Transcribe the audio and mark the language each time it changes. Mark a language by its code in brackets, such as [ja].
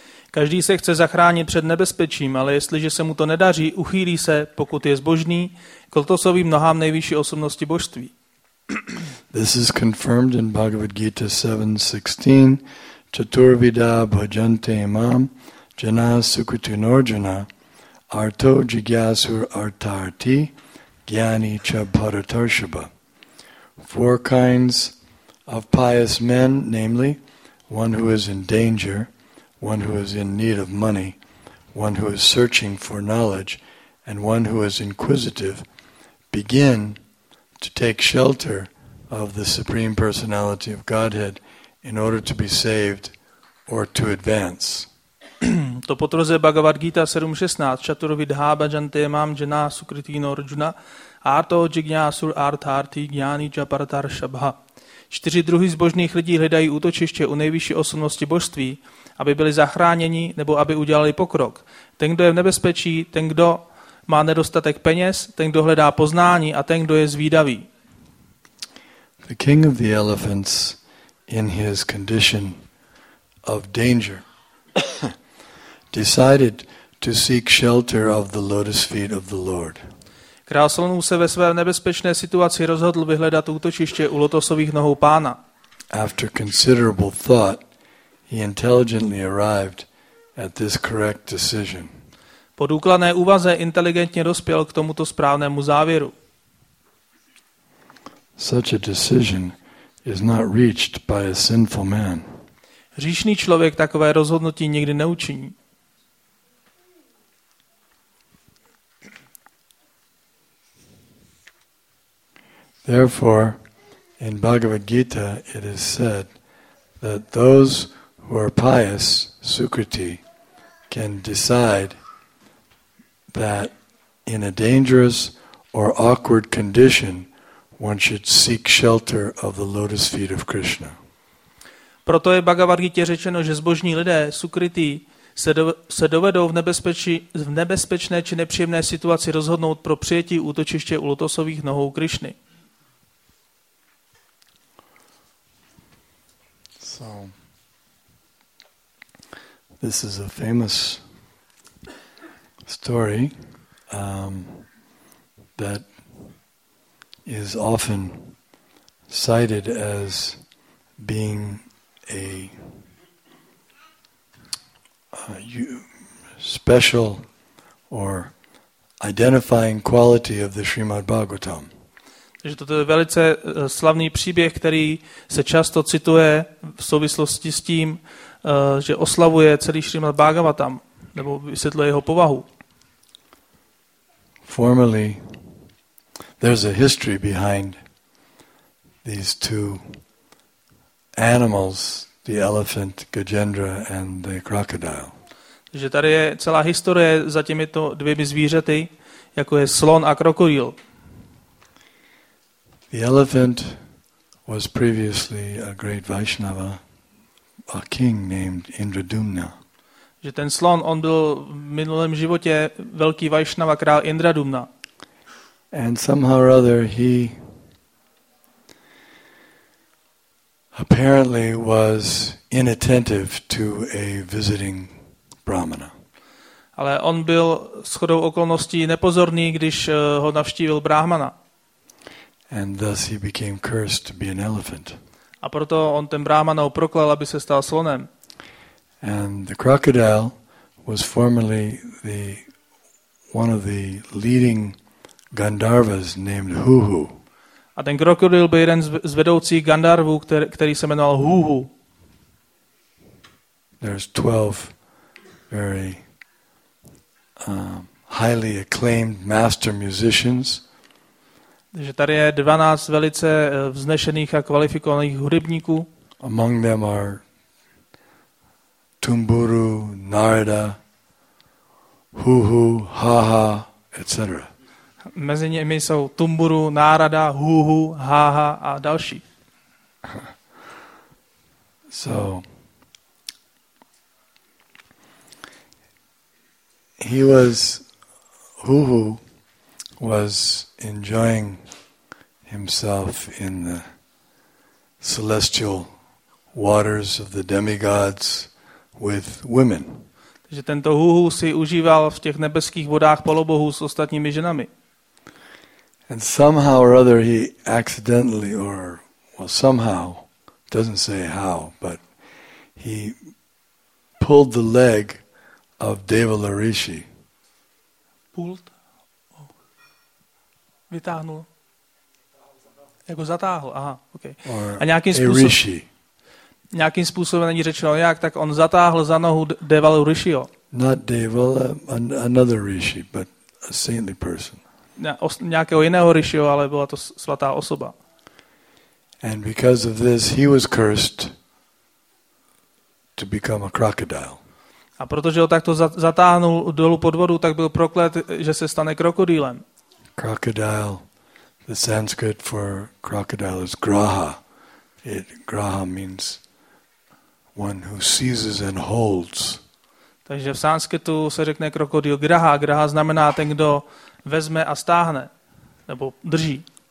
[cs] Každý se chce zachránit před nebezpečím, ale jestliže se mu to nedaří, uchýlí se, pokud je zbožný, k lotosovým nohám nejvyšší osobnosti božství. [en] This is confirmed in Bhagavad Gita 7:16. [sa] Chaturvida bhajante imam jana sukritinorjana arto jigyasur artarti jnani cha bharatarshaba. [en] Four kinds of pious men, namely, one who is in danger, one who is in need of money, one who is searching for knowledge, and one who is inquisitive, begin to take shelter of the Supreme Personality of Godhead in order to be saved or to advance. [cs] To potvrzuje Bhagavad Gita 7.16. [sa] Chaturvidha bhajante imam jana sukritino arjuna arto jignyasur arthaarti jnani cha paratarshabha. [cs] Čtyři druhy zbožných lidí hledají útočiště u nejvyšší osobnosti božství, aby byli zachráněni nebo aby udělali pokrok. Ten, kdo je v nebezpečí, ten, kdo má nedostatek peněz, ten, kdo hledá poznání a ten, kdo je zvídavý. [en] The king of the elephants in his condition of danger decided to seek shelter of the lotus feet of the Lord. [cs] Král Solnů se ve své nebezpečné situaci rozhodl vyhledat útočiště u lotosových nohou pána. [en] After considerable thought, he intelligently arrived at this correct decision. [cs] Po důkladné úvaze inteligentně dospěl k tomuto správnému závěru. [en] Such a decision is not reached by a sinful man. [cs] Hříšný člověk takové rozhodnutí nikdy neučiní. [en] Therefore, in Bhagavad Gita, it is said that those who are pious, Sukriti, can decide that in a dangerous or awkward condition, one should seek shelter of the lotus feet of Krishna. [cs] Proto je v Bhagavad Gita řečeno, že zbožní lidé, Sukriti, se dovedou v nebezpečné či nepříjemné situaci rozhodnout pro přijetí útočiště u lotosových nohou Krišny. [en] So, this is a famous story that is often cited as being a special or identifying quality of the Srimad Bhagavatam. [cs] Takže toto je velice slavný příběh, který se často cituje v souvislosti s tím, že oslavuje celý Srimad Bhagavatam, nebo vysvětluje jeho povahu. [en] Formerly, there's a history behind these two animals, the elephant Gajendra and the crocodile. [cs] Takže tady je celá historie za těmito dvěmi zvířaty, jako je slon a krokodýl. [en] The elephant was previously a great Vaishnava, a king named Indradumna. [cs] Že ten slon, on byl v minulém životě velký Vaishnava, král Indradumna. [en] And somehow or other he apparently was inattentive to a visiting brahmana. [cs] Ale on byl shodou okolností nepozorný, když ho navštívil brahmana. [en] And thus he became cursed to be an elephant. [cs] A proto on ten brahmana proklal, aby se stal slonem. [en] And the crocodile was formerly the one of the leading Gandharvas named Huhu. [cs] A ten krokodil byl jeden z vedoucích Gandharvů, který se jmenoval Huhu. [en] There's 12 very highly acclaimed master musicians. [cs] Takže tady je 12 velice vznešených a kvalifikovaných hudebníků. [en] Among them are Tumburu, Narada, Huhu, Haha, etc. [cs] Mezi nimi jsou Tumburu, Narada, Huhu, Haha a další. [en] So he was Huhu was enjoying himself in the celestial waters of the demigods with women. [cs] Takže tento Huhu si užíval v těch nebeských vodách polobohů s ostatními ženami. [en] And somehow or other he accidentally or well somehow doesn't say how but he pulled the leg of Devala Rishi. Pulled? [cs] Vytáhnul. Jako zatáhl. Aha, okay. Or a nějakým způsobem. Rishi. Nějakým způsobem není řečeno jak, tak on zatáhl za nohu Devalu Rishiho. [en] Not Devala, another Rishi, but a saintly person. [cs] Nějakého jiného Rishiho, ale byla to svatá osoba. [en] And because of this he was cursed to become a crocodile. [cs] A protože ho takto zatáhnul dolů pod vodu, tak byl proklet, že se stane krokodýlem. [en] Crocodile, the Sanskrit for crocodile is graha. Graha means one who seizes and holds. [cs] Takže v sanskritu se řekne krokodýl graha. Graha znamená ten, kdo vezme a stáhne nebo drží.